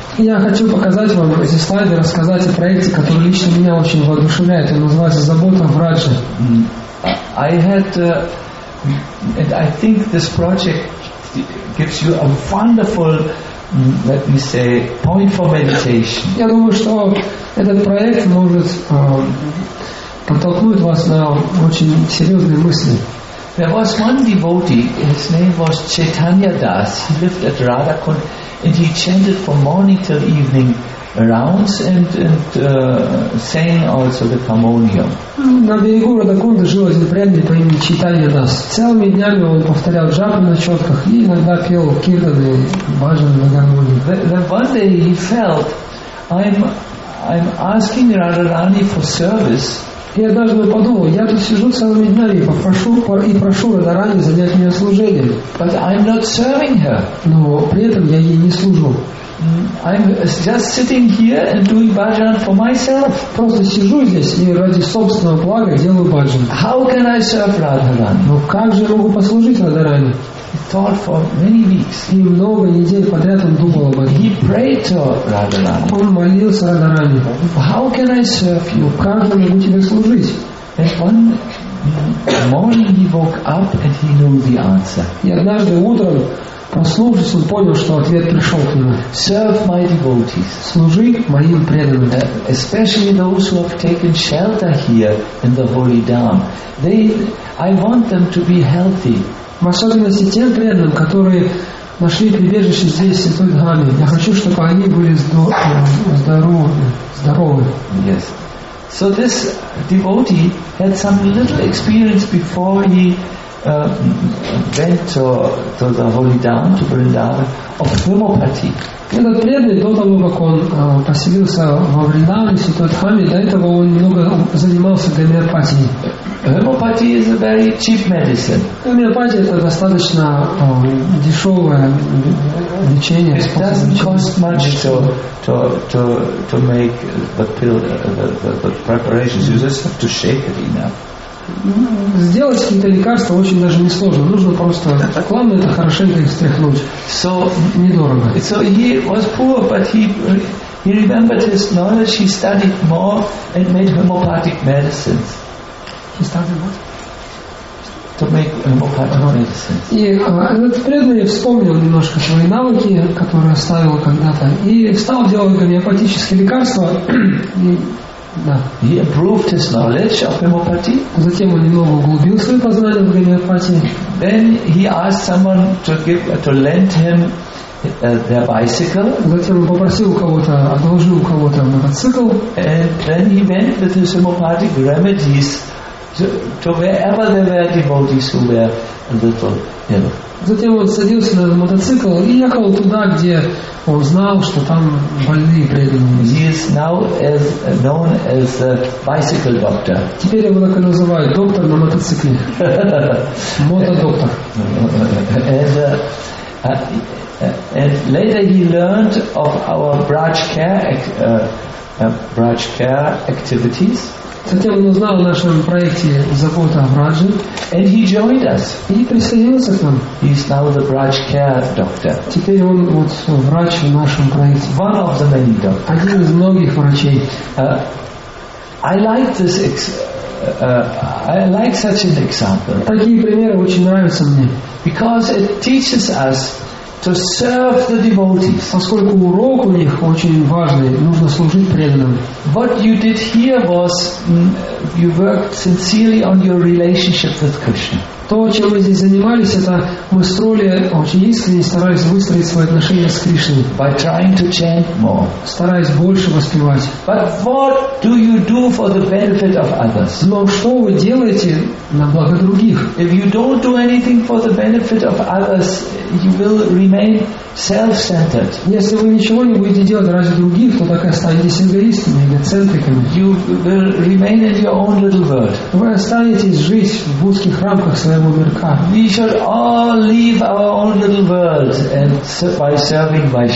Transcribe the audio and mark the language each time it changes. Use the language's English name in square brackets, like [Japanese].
[Russian] Я хочу показать вам эти слайды, рассказать о проекте, который лично меня очень воодушевляет. Он называется «Забота врача». [English] I had, and I think this project gives you a wonderful, let me say, point for meditation. [Russian] Я думаю, что этот проект может подтолкнуть вас на очень серьезные мысли. [English] There was one devotee, his name was Chaitanya Das. He lived at Radhakund, and he chanted from morning till evening rounds and sang also the harmonium. [Russian] На берегу Радхакунды жил один преданный по имени Чайтанья Дас. Целыми днями он повторял джапы на четках и иногда пел киртаны, баджаны на гармонии. [English] Then one day he felt, I'm asking Radharani for service. [Russian] Я даже подумал, я тут сижу целыми днями и прошу Радхарани занять меня служением. [English] But I'm not serving her. [Russian] Но при этом я ей не служу. [English] I'm just sitting here and doing bhajan for myself. [Russian] Просто сижу здесь и ради собственного блага делаю bhajan. [English] How can I serve Radharani? [Russian] Ну как же могу послужить Радхарани? [English] He thought for many weeks. [Russian] И много недель подряд он думал об этом. [English] He prayed to Radharani. [Russian] Он молился Радхарани. [English] How can I serve you? [Russian] Как же могу тебе служить? [English] And one morning he woke up and he knew the answer. [Russian] И однажды утром, послушавшись, он понял, что ответ пришел к нему. [English] Serve my devotees. [Russian] Служи моим преданным. [English] Especially those who have taken shelter here in the holy dham. I want them to be healthy. [Russian] В особенности тем преданным, которые нашли прибежище здесь, в Святой Дхаме. Я хочу, чтобы они были здоровы. [English] Yes. So this devotee had some little experience before he went to the holy dham, to Vrindavan, of homeopathy. [Russian] Этот преданный, до того, как он поселился во Вриндаване, в Святой Дхаме, до этого он немного занимался гомеопатией. [English] Homeopathy is a very cheap medicine. [Russian] Гомеопатия – это достаточно дешевое лечение. [English] It doesn't cost much to make the pill, the preparations. You just have to shake it enough. [Russian] Сделать какие-то лекарства очень даже несложно. Нужно просто, главное, это хорошенько их встряхнуть. [English] So, [Russian] недорого. [English] So he was poor, but he remembered his knowledge, he studied more and made homeopathic medicines. He studied what? To make homeopathic medicines. [Russian] И этот преданный вспомнил немножко свои навыки, которые оставил когда-то, и стал делать гомеопатические лекарства. Да. [English] He improved his knowledge of homeopathy. [Russian] Затем он немного углубил свои познания в гомеопатии. [English] Then he asked someone to lend him their bicycle. [Russian] Затем он попросил у кого-то, одолжил у кого-то мотоцикл. [English] And then he went with his homeopathic remedies to wherever there were devotees who were a little, you know. [Russian] Затем он садился на мотоцикл и ехал туда, где он знал, что там больные преданные. [English] He is now known as a bicycle doctor. [Russian] Теперь его так и называют, доктор на мотоцикле. Мотодоктор. [English] And later he learned of our Braj Care activities. [Russian] Затем он узнал о нашем проекте «Забота о Врадже». [English] And he joined us. [Russian] И присоединился к нам. [English] He is now the Braj Care doctor. [Russian] Теперь он вот врач в нашем проекте. [English] One of the many doctors. [Russian] Один из многих врачей. [English] I like such an example. [Russian] Такие примеры очень нравятся мне. [English] Because it teaches us to serve the devotees. [Russian] Поскольку урок у них очень важный, нужно служить преданным. [English] What you did here was you worked sincerely on your relationship with Krishna. [Russian] То, чем мы здесь занимались, это мы строили очень искренне, стараясь выстроить свои отношения с Кришной. [English] By trying to chant more. [Russian] Стараясь больше воспевать. [English] But what do you do for the benefit of others? [Russian] Но что вы делаете на благо других? [English] If you don't do anything for the benefit of others, you will remain self-centered. [Russian] Если вы ничего не будете делать ради других, то так и останетесь эгоистами, эгоцентриками. [English] You will remain in your own little world. [Russian] Вы останетесь жить в узких рамках. [English] We should all leave our own little world and by serving